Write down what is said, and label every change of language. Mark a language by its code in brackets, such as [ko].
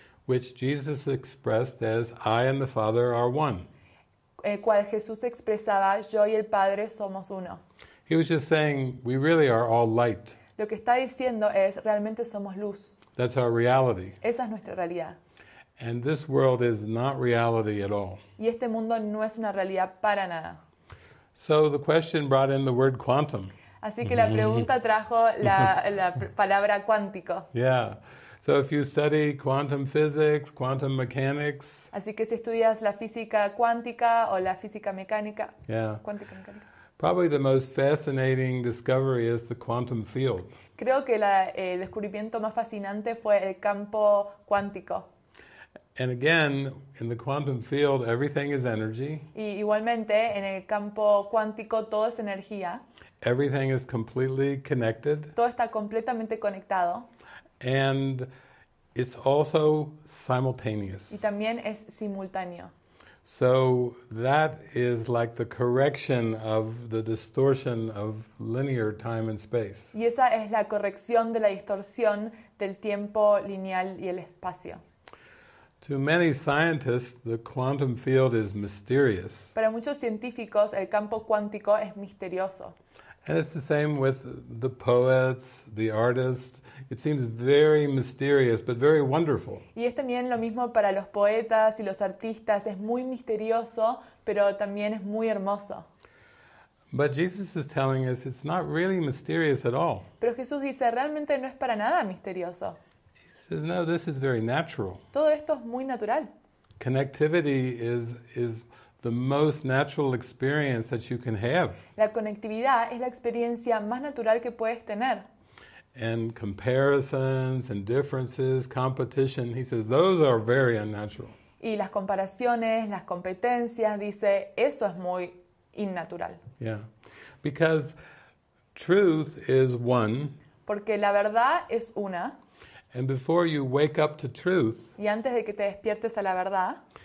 [en] Which Jesus expressed as I and the Father are one. [es] El cual Jesús expresaba yo y el Padre somos uno. [en] He was just saying we really are all light. [es] Lo que está diciendo es realmente somos luz. [en] That's our reality. [es] Esa es nuestra realidad. [en] And this world is not reality at all. [es] Y este mundo no es una realidad para nada. [en] So the question brought in the word quantum. [es] Así que la pregunta trajo la palabra cuántico. [en] Yeah. So if you study quantum physics, quantum mechanics. [es] Así que si estudias la física cuántica o la física mecánica. [en] Yeah. [es] Cuántica mecánica. [en] Probably the most fascinating discovery is the quantum field. [es] Creo que el descubrimiento más fascinante fue el campo cuántico. [en] And again, in the quantum field, everything is energy. [es] Y igualmente, en el campo cuántico, todo es energía. [en] Everything is completely connected. [es] Todo está completamente conectado. [en] And it's also simultaneous. [es] Y también es simultáneo. [en] So that is like the correction of the distortion of linear time and space. [es] Y esa es la corrección de la distorsión del tiempo lineal y el espacio. [en] To many scientists, the quantum field is mysterious. [es] Para muchos científicos, el campo cuántico es misterioso. [en] And it's the same with the poets, the artists. It seems very mysterious, but very wonderful. [es] Y es también lo mismo para los poetas y los artistas. Es muy misterioso, pero también es muy hermoso. [en] But Jesus is telling us it's not really mysterious at all. [es] Pero Jesús dice, realmente no es para nada misterioso. [en] He says, no, this is very natural. [es] Todo esto es muy natural. [en] Connectivity is the most natural experience that you can have. [es] La conectividad es la experiencia más natural que puedes tener. [en] And comparisons and differences, competition, he says, those are very unnatural. [es] Y las comparaciones, las competencias, dice, eso es muy innatural. [en] Yeah, because truth is one. [es] Porque la verdad es una. [en] And before you wake up to truth. [es] Y antes de que te despiertes a la verdad.